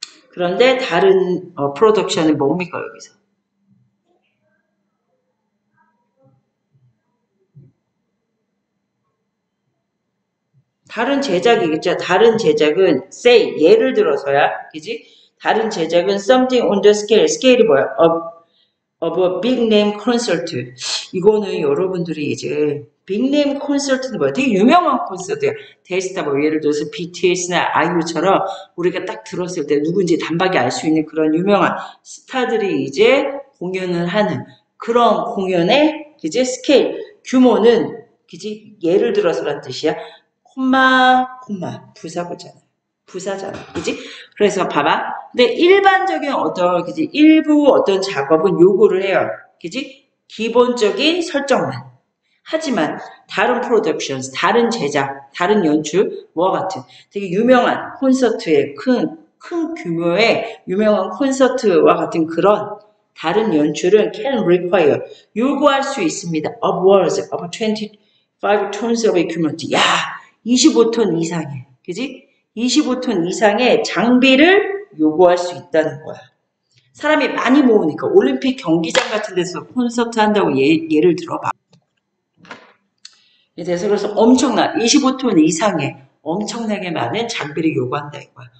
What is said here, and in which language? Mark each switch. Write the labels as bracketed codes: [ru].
[ko] 그런데 다른 프로덕션이 뭡니까 여기서? 다른 제작이겠죠. 다른 제작은 [en] say [ko] 예를 들어서야, 그지? 다른 제작은 [en] something on the scale. [ko] 스케일이 뭐야? [en] Of a big name concert. [ko] 이거는 여러분들이 이제, [en] big name concert [ko] 는 뭐야? 되게 유명한 콘서트야. 데스타, 뭐, 예를 들어서 BTS나 아이유처럼 우리가 딱 들었을 때 누군지 단박에 알수 있는 그런 유명한 스타들이 이제 공연을 하는 그런 공연의 이제 스케일, 규모는, 그지? 예를 들어서란 뜻이야. 콤마, 부사고잖아. 부사잖아, 그지? 그래서 봐봐. 근데 일반적인 어떤, 그지? 일부 어떤 작업은 요구를 해요. 그지? 기본적인 설정만. 하지만, 다른 프로덕션스, 다른 제작, 다른 연출, 뭐와 같은 되게 유명한 콘서트의 큰 규모의 유명한 콘서트와 같은 그런 다른 연출은 [en] can require, [ko] 요구할 수 있습니다. [en] Upwards of 25 tons of equipment. [ko] 야! 25톤 이상해. 그지? 25톤 이상의 장비를 요구할 수 있다는 거야. 사람이 많이 모으니까 올림픽 경기장 같은 데서 콘서트 한다고 예를 들어봐. 그래서 엄청나. 25톤 이상의 엄청나게 많은 장비를 요구한다 이거야.